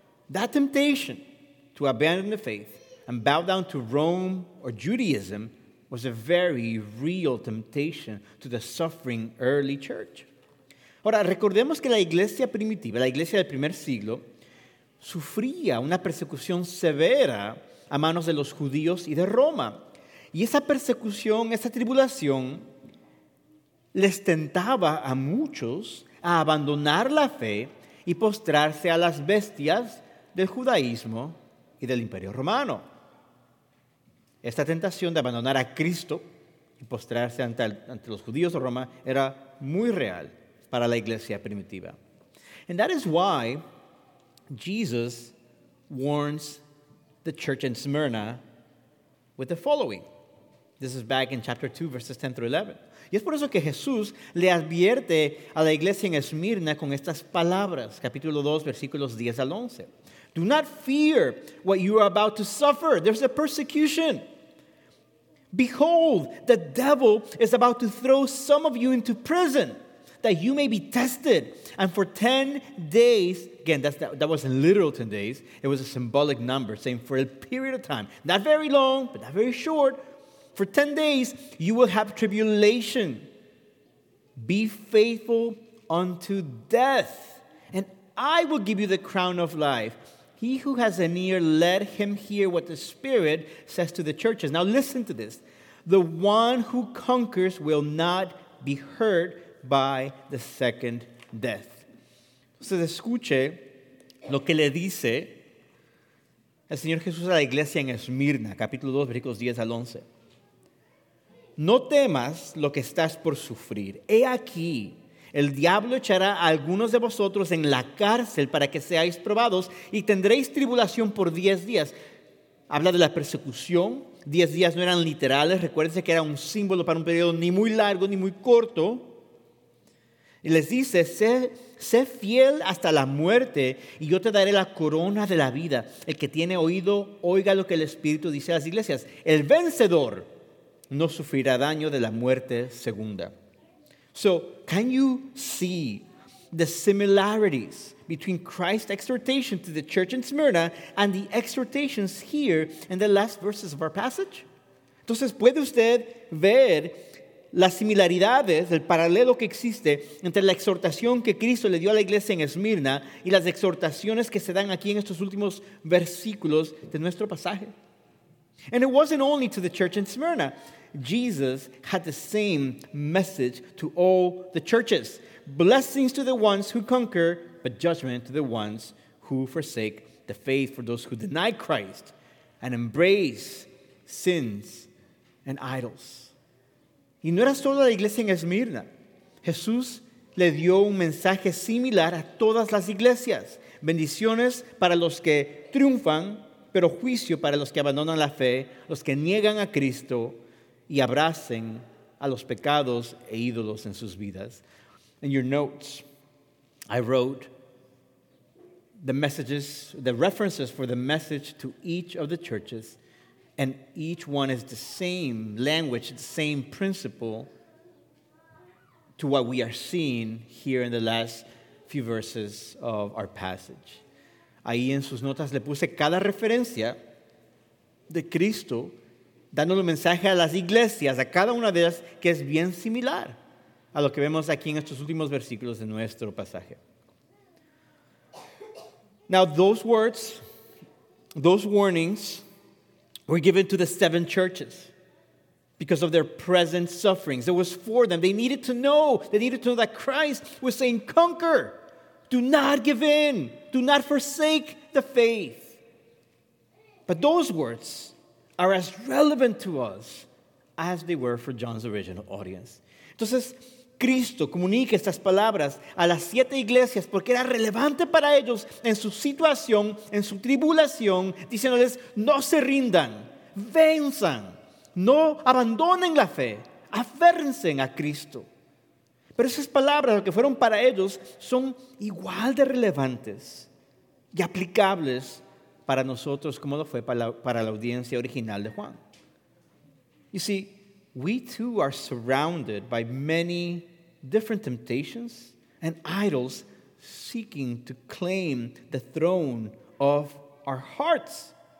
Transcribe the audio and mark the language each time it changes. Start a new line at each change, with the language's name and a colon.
English: That temptation to abandon the faith and bow down to Rome or Judaism was a very real temptation to the suffering early church.
Spanish: Ahora, recordemos que la iglesia primitiva, la iglesia del primer siglo, sufría una persecución severa a manos de los judíos y de Roma. Y esa persecución, esa tribulación, les tentaba a muchos a abandonar la fe y postrarse a las bestias del judaísmo y del imperio romano. Esta tentación de abandonar a Cristo y postrarse ante los judíos de Roma era muy real para la iglesia primitiva.
English: And that is why Jesus warns the church in Smyrna with the following. This is back in chapter 2, verses 10 through 11.
Spanish: Y es por eso que Jesús le advierte a la iglesia en Esmirna con estas palabras, capítulo 2, versículos 10 al 11.
English: Do not fear what you are about to suffer. There's a persecution. Behold, the devil is about to throw some of you into prison, that you may be tested. And for 10 days, again, that wasn't literal 10 days. It was a symbolic number, saying for a period of time, not very long, but not very short, for 10 days, you will have tribulation. Be faithful unto death, and I will give you the crown of life. He who has an ear, let him hear what the Spirit says to the churches. Now listen to this. The one who conquers will not be hurt by the second death.
Spanish: Entonces escuche lo que le dice el Señor Jesús a la iglesia en Esmirna, capítulo 2, versículos 10 al 11. No temas lo que estás por sufrir. He aquí, el diablo echará a algunos de vosotros en la cárcel para que seáis probados y tendréis tribulación por 10 días. Habla de la persecución. 10 días no eran literales. Recuérdense que era un símbolo para un periodo ni muy largo ni muy corto. Y les dice, sé fiel hasta la muerte y yo te daré la corona de la vida. El que tiene oído, oiga lo que el Espíritu dice a las iglesias. El vencedor no sufrirá daño de la muerte segunda.
English: So, can you see the similarities between Christ's exhortation to the church in Smyrna and the exhortations here in the last verses of our passage?
Spanish: Entonces, ¿puede usted ver las similaridades, el paralelo que existe entre la exhortación que Cristo le dio a la iglesia en Esmirna y las exhortaciones que se dan aquí en estos últimos versículos de nuestro pasaje?
English: And it wasn't only to the church in Smyrna. Jesus had the same message to all the churches. Blessings to the ones who conquer, but judgment to the ones who forsake the faith, for those who deny Christ and embrace sins and idols.
Spanish: Y no era solo la iglesia en Esmirna. Jesús le dio un mensaje similar a todas las iglesias. Bendiciones para los que triunfan, pero juicio para los que abandonan la fe, los que niegan a Cristo y abracen a los pecados e ídolos en sus vidas.
English: In your notes, I wrote the references for the message to each of the churches, and each one is the same language, the same principle to what we are seeing here in the last few verses of our passage.
Spanish: Ahí en sus notas le puse cada referencia de Cristo dando un mensaje a las iglesias, a cada una de ellas, que es bien similar a lo que vemos aquí en estos últimos versículos de nuestro pasaje.
English: Now, those words, those warnings were given to the seven churches because of their present sufferings. It was for them. They needed to know that Christ was saying, conquer. Do not give in. Do not forsake the faith. But those words are as relevant to us as they were for John's original audience.
Spanish: Entonces, Cristo comunica estas palabras a las siete iglesias porque era relevante para ellos en su situación, en su tribulación, diciéndoles, no se rindan, venzan, no abandonen la fe, aférrense a Cristo. Pero esas palabras que fueron para ellos son igual de relevantes y aplicables para nosotros como lo fue para la audiencia original de Juan.
English: You see, we too are surrounded by many different temptations and idols seeking to claim the throne of our hearts.